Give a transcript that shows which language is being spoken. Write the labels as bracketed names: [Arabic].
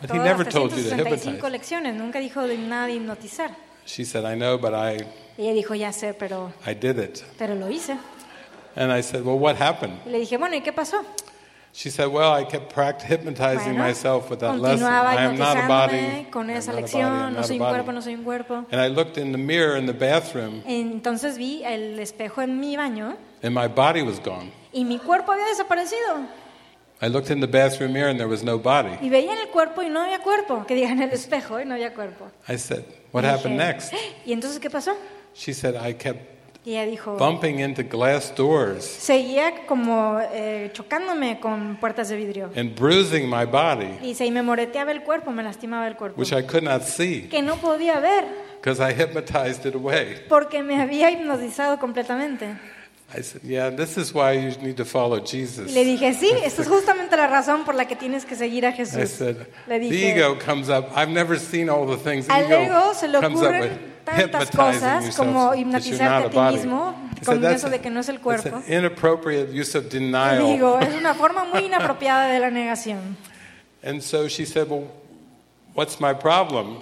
[English] But he never told you to hypnotize. [Spanish] Lecciones. Nunca dijo de nada de hipnotizar. [English] She said, "I know, but I." [Spanish] Ella dijo, ya sé, pero. [English] I did it. [Spanish] Pero lo hice. [English] And I said, "Well, what happened?" [Spanish] Le dije, bueno, ¿y qué pasó? [English] She said, "Well, I kept hypnotizing myself with that lesson. I am not a body. [Spanish] Con esa lección, no soy un cuerpo, no soy un cuerpo." [English] And I looked in the mirror in the bathroom. [Spanish] Entonces vi el espejo en mi baño. [English] And my body was gone. [Spanish] Y mi cuerpo había desaparecido. [English] I looked in the bathroom mirror and there was no body. [Spanish] Y veía en el cuerpo y no había cuerpo. Que diga en el espejo y no había cuerpo. [English] I said, "What happened next?" [Spanish] Y entonces, ¿qué pasó? [English] She said, "I kept." [Spanish] Y ella dijo, [English] "Bumping into glass doors." [Spanish] Seguía como chocándome con puertas de vidrio. [English] And bruising my body. [Spanish] Y se me moreteaba el cuerpo, me lastimaba el cuerpo. [English] Which I could not see. [Spanish] Que no podía ver. [English] Because I hypnotized it away. [Spanish] Porque me había hipnotizado completamente. [English] I said, "Yeah, this is why you need to follow Jesus." [Spanish] Le dije, "Sí, esta es justamente la razón por la que tienes que seguir a Jesús." [English] I said, [Spanish] le dije, [English] "The ego comes up. I've never seen all the things [Spanish] al ego se le ocurren tantas cosas como hipnotizarte a ti mismo con eso de que no es el cuerpo." [English] It's an inappropriate use of denial. [Spanish] Digo, es una forma muy inapropiada de la negación. [English] And so she said, "Well, what's my problem?"